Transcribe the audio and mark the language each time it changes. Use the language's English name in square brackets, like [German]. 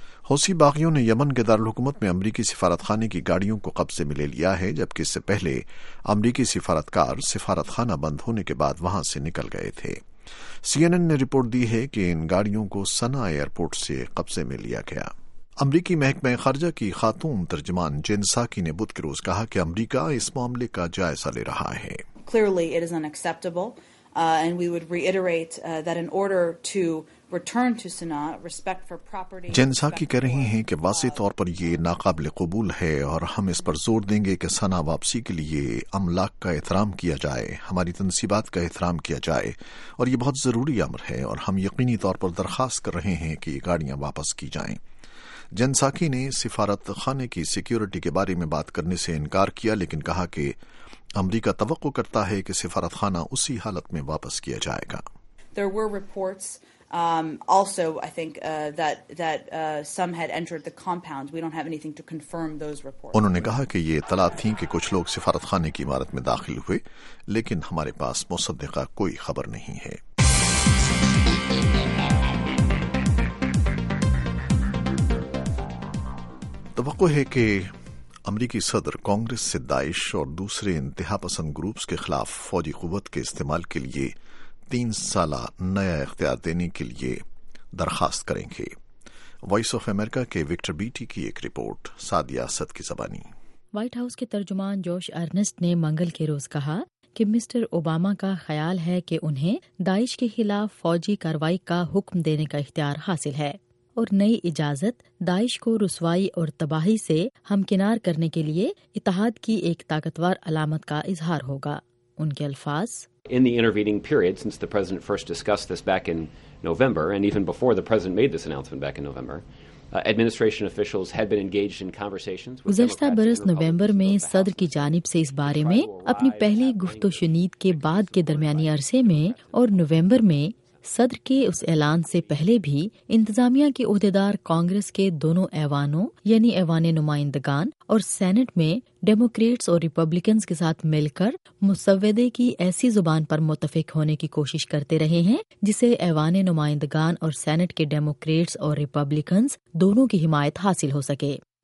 [Urdu] حوثی باغیوں نے یمن کے دارالحکومت میں امریکی سفارتخانے کی گاڑیوں کو قبضے میں لے لیا ہے، جبکہ اس سے پہلے امریکی سفارتکار سفارتخانہ بند ہونے کے بعد وہاں سے نکل گئے تھے۔ سی این این نے رپورٹ دی ہے کہ ان گاڑیوں کو سنا ایئرپورٹ سے قبضے میں لیا گیا۔ امریکی محکمہ خارجہ کی خاتون ترجمان جین ساکی نے بدھ کے روز کہا کہ امریکہ اس معاملے کا جائزہ لے رہا ہے۔ [English] Clearly it is unacceptable and we would reiterate that in order to return to Sanaa, respect for property... [Urdu] Jain ساکی کہہ رہی ہیں کہ واضح طور پر یہ ناقابل قبول ہے، اور ہم اس پر زور دیں گے کہ سنا واپسی کے لیے املاک کا احترام کیا جائے، ہماری تنصیبات کا احترام کیا جائے، اور یہ بہت ضروری امر ہے، اور ہم یقینی طور پر درخواست کر رہے ہیں کہ یہ گاڑیاں واپس کی جائیں۔ جین ساکی نے سفارت خانے کی سیکیورٹی کے بارے میں بات کرنے سے انکار کیا، لیکن کہا کہ امریکہ توقع کرتا ہے کہ سفارت خانہ اسی حالت میں واپس کیا جائے گا۔ [English] There were reports also I think that some had entered the compound. We don't have anything to confirm those reports. [Urdu] انہوں نے کہا کہ یہ اطلاع تھیں کہ کچھ لوگ سفارت خانے کی عمارت میں داخل ہوئے، لیکن ہمارے پاس مصدقہ کوئی خبر نہیں ہے۔ توقع ہے کہ امریکی صدر کانگریس سے داعش اور دوسرے انتہا پسند گروپس کے خلاف فوجی قوت کے استعمال کے لیے 3 سالہ نیا اختیار دینے کے لیے درخواست کریں گے۔ وائس آف امریکہ کے وکٹر بیٹی کی ایک رپورٹ. سعدیہ اسد کی زبانی. وائٹ ہاؤس کے ترجمان جوش ارنسٹ نے منگل کے روز کہا کہ مسٹر اوباما کا خیال ہے کہ انہیں داعش کے خلاف فوجی کارروائی کا حکم دینے کا اختیار حاصل ہے اور نئی اجازت داعش کو رسوائی اور تباہی سے ہمکنار کرنے کے لیے اتحاد کی ایک طاقتور علامت کا اظہار ہوگا. ان کے الفاظ: [English] In the intervening period since the president first discussed this back in November and even before the president made this announcement back in November, administration officials had been engaged in conversations with [Urdu] گزشتہ برس نومبر میں صدر کی جانب سے اس بارے میں اپنی پہلی گفت و شنید کے بعد کے درمیانی عرصے میں اور نومبر میں صدر کے اس اعلان سے پہلے بھی انتظامیہ کے عہدیدار کانگریس کے دونوں ایوانوں یعنی ایوان نمائندگان اور سینٹ میں ڈیموکریٹس اور ریپبلکنز کے ساتھ مل کر مسودے کی ایسی زبان پر متفق ہونے کی کوشش کرتے رہے ہیں جسے ایوان نمائندگان اور سینٹ کے ڈیموکریٹس اور ریپبلکنز دونوں کی حمایت حاصل ہو سکے.